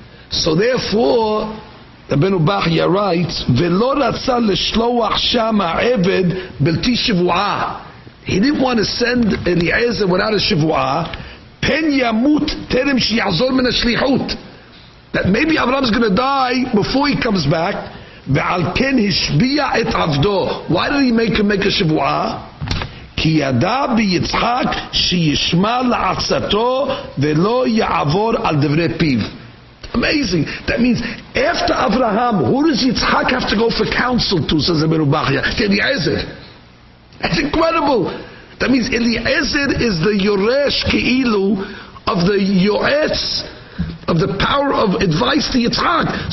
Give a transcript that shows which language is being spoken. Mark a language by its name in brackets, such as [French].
[English] So therefore, the Ben Ubachya writes, [Hebrew] Velo ratza leshloach sham ha'eved b'lti shivu'ah. [English] He didn't want to send Eliezer without a shivu'ah. [Hebrew] Pen yamut terem shi'azor min ha'shlichut. [English] That maybe Avraham's going to die before he comes back. [Hebrew] Ve'al ken hishbiya et avdo. [English] Why did he make him make a shivu'ah? [Hebrew] כי ידע ביצחק שישמע לעצתו ולא יעבור על דברי פיו. [English] Amazing. That means after Abraham, who does Yitzchak have to go for counsel to, says Merubachia? Eliezer. That's incredible. That means Eliezer is the Yoresh Keilu of the Yoetz, of the power of advice to Yitzchak.